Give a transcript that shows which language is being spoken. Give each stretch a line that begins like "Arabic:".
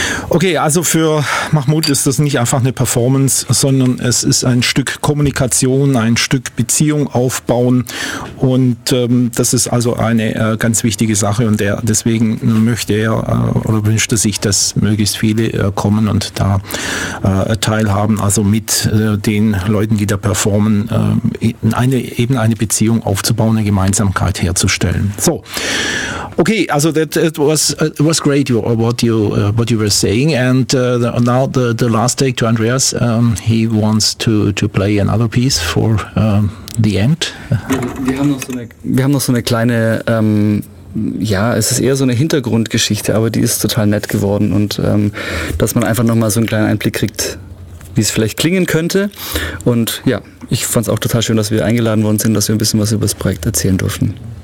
German: Okay, also für Mahmoud ist das nicht einfach eine Performance, sondern es ist ein Stück Kommunikation, ein Stück Beziehung aufbauen und das ist also eine ganz wichtige Sache und deswegen möchte er oder wünscht er sich, dass möglichst viele kommen und da teilhaben, also mit den Leuten, die da performen, eine Beziehung aufzubauen, eine Gemeinsamkeit herzustellen.
English: So, okay, also that was great, what you were saying. And now the last take to Andreas, he wants to play another piece for the end.
German: Wir haben noch so eine kleine, es ist eher so eine Hintergrundgeschichte, aber die ist total nett geworden und dass man einfach nochmal so einen kleinen Einblick kriegt, wie es vielleicht klingen könnte. Und ja, ich fand es auch total schön, dass wir eingeladen worden sind, dass wir ein bisschen was über das Projekt erzählen durften.